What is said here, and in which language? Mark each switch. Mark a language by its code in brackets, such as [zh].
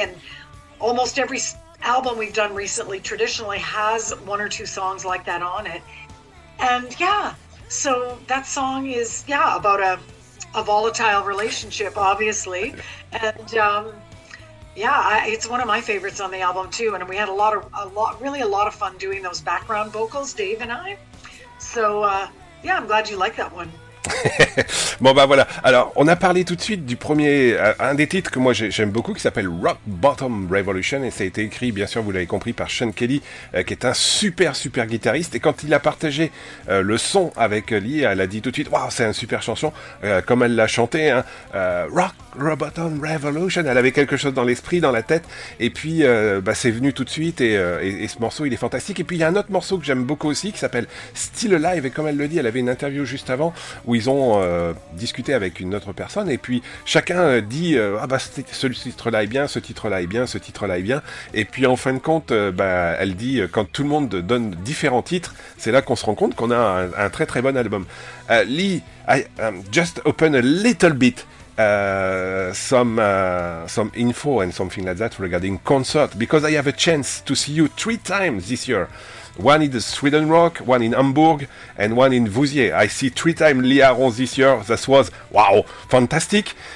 [en] And almost every album we've done recently traditionally has one or two songs like that on it. And so that song is about a a volatile relationship, obviously. And it's one of my favorites on the album too. And we had a lot of fun doing those background vocals, Dave and I. So I'm glad you like that one. [fr] Bon bah voilà, alors on a parlé tout de suite du premier, un des titres que moi j'aime beaucoup qui s'appelle Rock Bottom Revolution, et ça a été écrit, bien sûr vous l'avez compris, par Sean Kelly, qui est un super guitariste. Et quand il a partagé le son avec Lee, elle a dit tout de suite waouh, c'est une super chanson, comme elle l'a chanté, hein, Rock Bottom Revolution. Elle avait quelque chose dans l'esprit, dans la tête, et puis c'est venu tout de suite, et ce morceau il est fantastique. Et puis il y a un autre morceau que j'aime beaucoup aussi qui s'appelle Still Alive, et comme elle le dit, elle avait une interview juste avant où ils ont discuté avec une autre personne, et puis chacun dit ce titre-là est bien, ce titre-là est bien, ce titre-là est bien. Et puis en fin de compte, elle dit, quand tout le monde donne différents titres, c'est là qu'on se rend compte qu'on a un très très bon album. [en] Lee, just open a little bit some info and something like that regarding concert, because I have a chance to see you 3 times this year. One in the Sweden Rock, one in Hamburg, and one in Vouziers. I see 3 times Lee Aarons this year. That was, wow, fantastic.